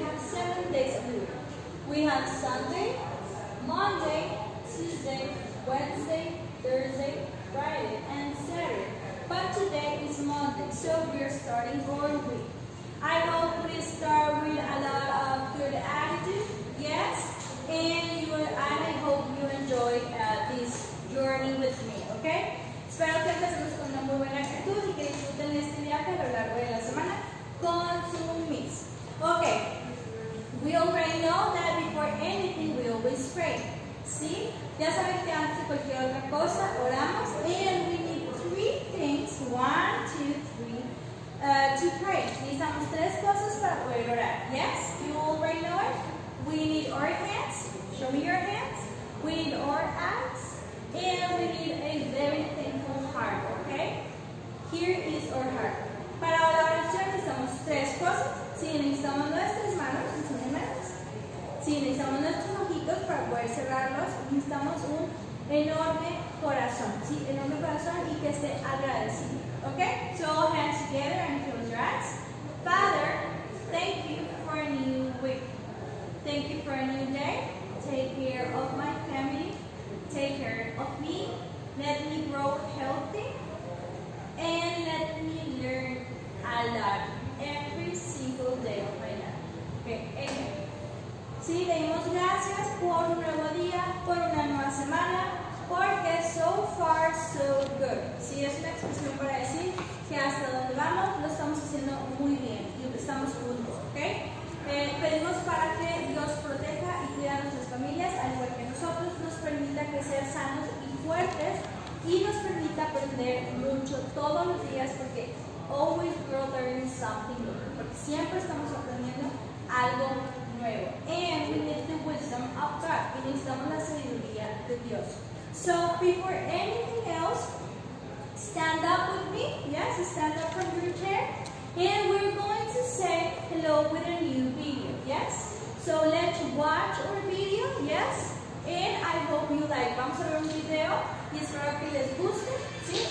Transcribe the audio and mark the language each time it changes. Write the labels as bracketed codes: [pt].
[en] have Sunday, Monday, Tuesday, Wednesday, Thursday, Friday, and Saturday. But today is Monday, so we're starting for a week. I hope we start with a lot of good attitude, yes? And I hope you enjoy this journey with me, okay? [es] Espero que les guste con una muy buena actitud y que disfruten este viaje a lo largo de la semana con su miss. [en] Okay, we already know that before anything we always pray, ¿sí? [es] Ya saben que antes de cualquier otra cosa oramos. [en] And we need three things, one, two, three, to pray. [es] Necesitamos tres cosas para poder orar, [en] yes? You already know it. We need our hands. Show me your hands. We need our eyes. And we need a very thankful heart, okay? Here is our heart. [es] Para la oración necesitamos tres cosas. Si necesitamos nuestras manos, enséñamelas. Si necesitamos nuestros ojitos para poder cerrarlos, necesitamos un enorme corazón. Sí, enorme corazón y que esté agradecido, okay? [en] So all hands together and close your eyes. Father, thank you for a new week. Thank you for a new day. Take care of my family. Take care of me. Let me grow healthy. And let me learn a lot every single day of my life. Okay, amen. [es] Sí, demos gracias por un nuevo día, por una nueva semana, porque [en] so far, so good. [es] Sí, es una expresión para decir que hasta donde vamos, lo estamos haciendo muy bien. Y estamos juntos, okay? Pedimos para que Dios proteja y cuide a nuestras familias, al igual que nosotros, nos permita crecer sanos y fuertes y nos permita aprender mucho todos los días porque [en] always grow learning something new, [es] porque siempre estamos aprendiendo algo nuevo. [en] And we need the wisdom of God, [es] y necesitamos la sabiduría de Dios. [en] So before anything else, stand up with me, yes, stand up from your chair. And we're going to say hello with a new video, yes? So let's watch our video, yes? And I hope you like. [es] Vamos a ver un video y espero que les guste, ¿sí?